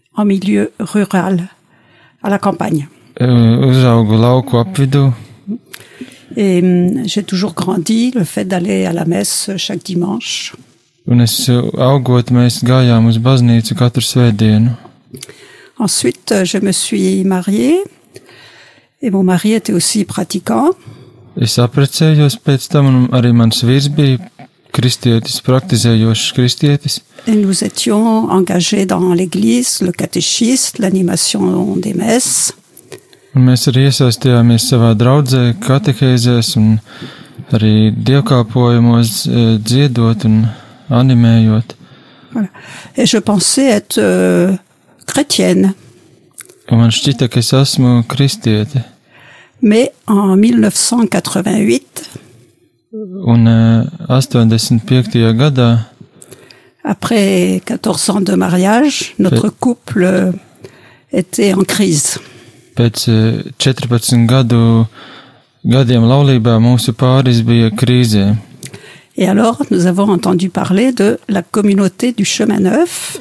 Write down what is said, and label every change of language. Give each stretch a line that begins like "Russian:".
French: En milieu rural, à la campagne.
Latvian: Uzaugu lauku apvidū.
French: Et j'ai toujours grandi le fait d'aller à la messe chaque dimanche.
Latvian: Un es augot, mēs gājām uz baznīcu katru svētdienu.
French: Ensuite, je me suis mariée, et mon mari était aussi pratiquant.
Latvian: Es aprecējos pēc tam, un arī mans vīrs bija kristietis, praktizējošs kristietis.
French: Et nous étions engagés dans l'église, le catéchiste, l'animation des messes.
Latvian: Un mēs arī iesaistījāmies savā draudzē, katehēzēs, un arī dievkalpojumos dziedot un animējot.
French: Voilà. Et je pensais être chrétienne.
Latvian: Un man šķita, ka es esmu kristiete.
French: Mais en 1988,
Latvian: un 85. gadā,
French: après 14 ans de mariage, notre couple était en crise.
Latvian: Pēc 14 gadiem laulībā mūsu pāris bija krīzē.
French: Et alors, nous avons entendu parler de la communauté du chemin neuf.